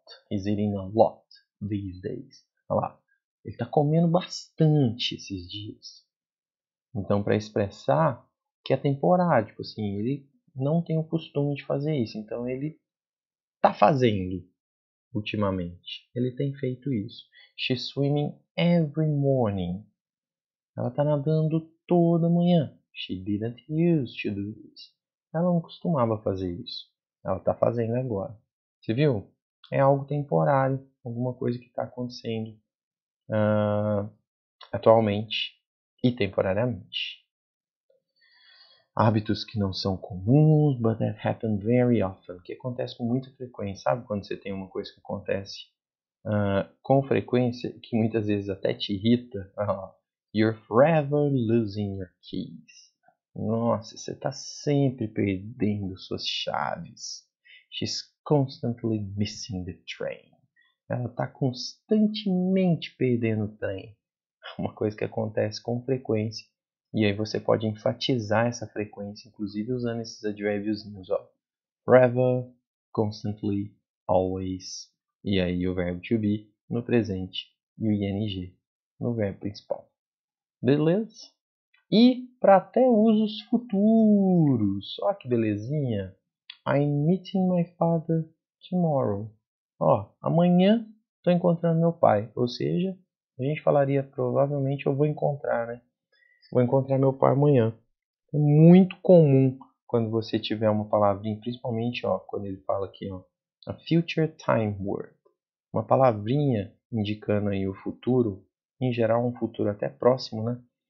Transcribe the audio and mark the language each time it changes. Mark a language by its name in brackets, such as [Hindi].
[English] He's eating a lot these days. [Portuguese] Olha lá. Ele está comendo bastante esses dias. Então, para expressar que é temporário, tipo assim, ele não tem o costume de fazer isso. Então, ele está fazendo ultimamente. Ele tem feito isso. [English] She's swimming every morning. [Portuguese] Ela está nadando toda manhã. [English] She didn't used to do this. [Portuguese] Ela não costumava fazer isso. Ela está fazendo agora. Você viu? É algo temporário. Alguma coisa que está acontecendo. Atualmente e temporariamente. Hábitos que não são comuns, [English] but that happen very often, [Portuguese] que acontece com muita frequência. Sabe quando você tem uma coisa que acontece com frequência, que muitas vezes até te irrita? [English] You're forever losing your keys. [Portuguese] Nossa, você está sempre perdendo suas chaves. [English] She's constantly missing the train. [Portuguese] Ela está constantemente perdendo o trem. Uma coisa que acontece com frequência. E aí você pode enfatizar essa frequência, inclusive usando esses advérbiozinhos, ó. [English] Forever, constantly, always. [Portuguese] E aí o verbo to be no presente e o ing no verbo principal. Beleza? E para até usos futuros. Ó que belezinha. [English] I'm meeting my father tomorrow. [Portuguese] Ó, amanhã. Estou encontrando meu pai, ou seja, a gente falaria provavelmente eu vou encontrar, né? Vou encontrar meu pai amanhã. É muito comum quando você tiver uma palavrinha, principalmente, ó, quando ele fala aqui, ó, [English] a future time word, [Portuguese] uma palavrinha indicando aí o futuro, em geral um futuro até próximo, né?